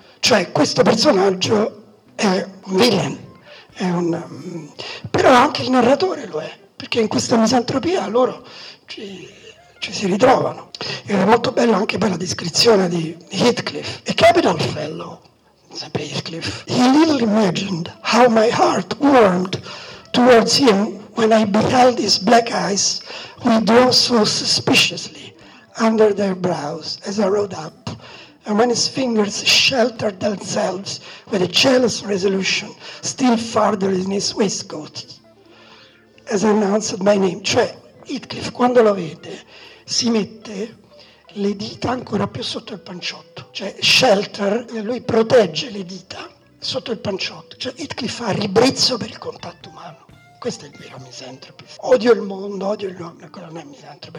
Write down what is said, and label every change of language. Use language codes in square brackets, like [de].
[it] Cioè, questo personaggio è un villain, però anche il narratore lo è, perché in questa misantropia loro ci si ritrovano. Ed è molto bella anche per la descrizione di Heathcliff, [en] a capital fellow, [it] sempre Heathcliff. [en] He little imagined how my heart warmed towards him when I beheld his black eyes withdraw so suspiciously under their brows as I rode up, and when his fingers sheltered themselves with a jealous resolution still farther in his waistcoat as I announced my name. [it] Cioè, Heathcliff, quando lo vede, si mette le dita ancora più sotto il panciotto. Cioè, shelter, lui protegge le dita sotto il panciotto. Cioè, Heathcliff fa ribrezzo per il contatto umano. Questo è il vero misantropo. Odio il mondo, odio gli uomini. Quello non è misantropo.